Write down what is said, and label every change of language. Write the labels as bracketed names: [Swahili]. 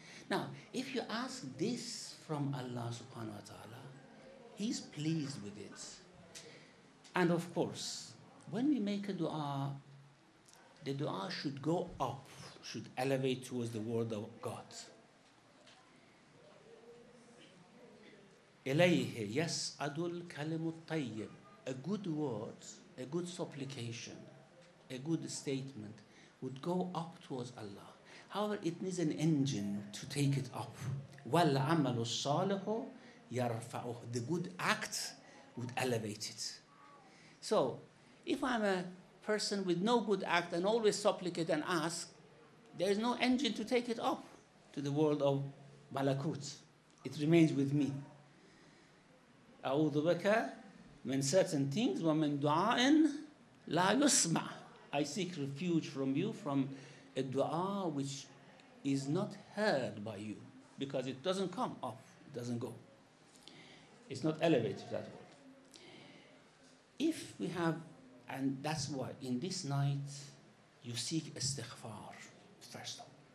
[English] Now, if you ask this from Allah subhanahu wa ta'ala, He's pleased with it. And of course, when we make a dua, the dua should go up, should elevate towards the word of God. [Arabic] إليه يسعد الكلم الطيب. [English] A good word a good supplication, a good statement would go up towards Allah. However, it needs an engine to take it up. [Arabic] وَالْعَمَلُ الصَّالِحُ يَرْفَعُهُ. [English] The good act would elevate it. So, if I'm a person with no good act and always supplicate and ask, there is no engine to take it up to the world of Malakut. It remains with me. [Arabic] أَعُوذُ بَكَ مِنْ [English] certain things [Arabic] وَمِنْ دُعَاءٍ لَا يُسْمَعْ. [English] I seek refuge from you from a dua which is not heard by you, because it doesn't come up, it doesn't go. It's not elevated, that word. If we have, and that's why in this night you seek istighfar first of all.